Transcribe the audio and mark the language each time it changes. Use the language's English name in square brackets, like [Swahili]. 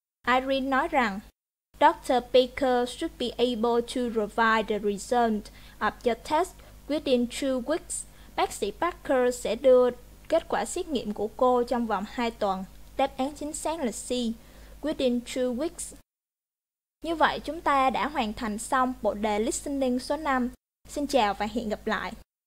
[Vietnamese] Irene nói rằng, Dr. [English] Baker should be able to provide the result of your test within 2 weeks. [Vietnamese] Bác sĩ Parker sẽ đưa kết quả xét nghiệm của cô trong vòng 2 tuần. Đáp án chính xác là C, [English] within 2 weeks. [Vietnamese] Như vậy, chúng ta đã hoàn thành xong bộ đề listening số 5. Xin chào và hẹn gặp lại.